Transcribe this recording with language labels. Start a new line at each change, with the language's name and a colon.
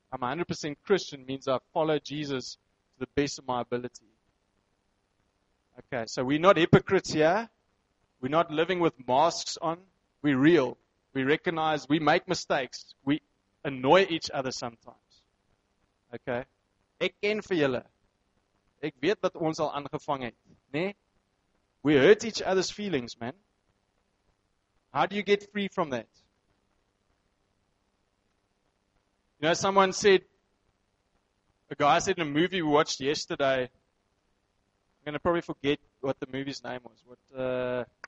English: I'm 100% Christian, means I follow Jesus to the best of my ability. Okay, so we're not hypocrites here. We're not living with masks on. We're real. We recognize we make mistakes. We annoy each other sometimes.
Afrikaans: Okay? Ek ken vir julle. Ek weet wat ons al aangevang het. Nee?
English: We hurt each other's feelings, man. How do you get free from that? You know, someone said, a guy said in a movie we watched yesterday, I'm going to probably forget what the movie's name was.